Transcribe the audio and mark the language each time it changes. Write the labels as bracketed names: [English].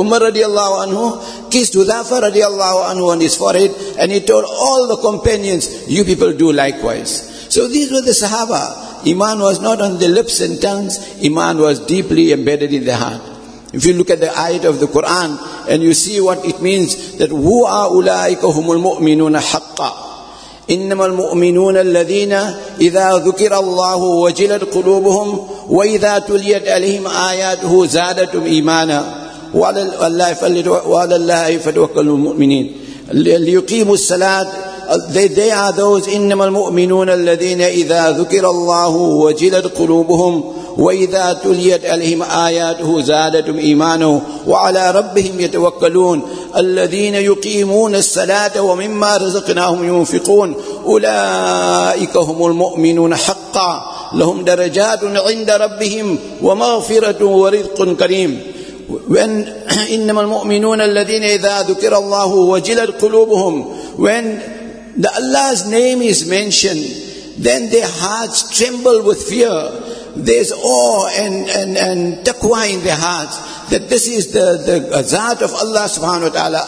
[English] Umar radiallahu anhu kissed Hudhayfa radiallahu anhu on his forehead, and he told all the companions, you people do likewise. So these were the sahaba. Iman was not on the lips and tongues. Iman was deeply embedded in the heart. If you look at the ayat of the Quran and you see what it means, that [Arabic] wa ulaika humul mu'minuna haqqan. إنما المؤمنون الذين إذا ذكر الله وجلت قلوبهم وإذا تليت عليهم آياته زادتهم إيمانا وعلى الله فتوكل المؤمنين ليقيموا الصلاة. [English] They are those [Arabic] إنما المؤمنون الذين إذا ذكر الله وجلت قلوبهم وإذا تليت عليهم آياته زادتهم إيمانا وعلى ربهم يتوكلون الذين يقيمون الصلاة ومما رزقناهم ينفقون أولئك هم المؤمنون حقا لهم درجات عند ربهم ومغفرة ورزق كريم. [English] When [Arabic] إنما المؤمنون الذين إذا ذكر الله وجلت قلوبهم, [English] when Allah's name is mentioned, then their hearts tremble with fear. There's awe and taqwa in their hearts, that this is the zat of Allah subhanahu wa ta'ala.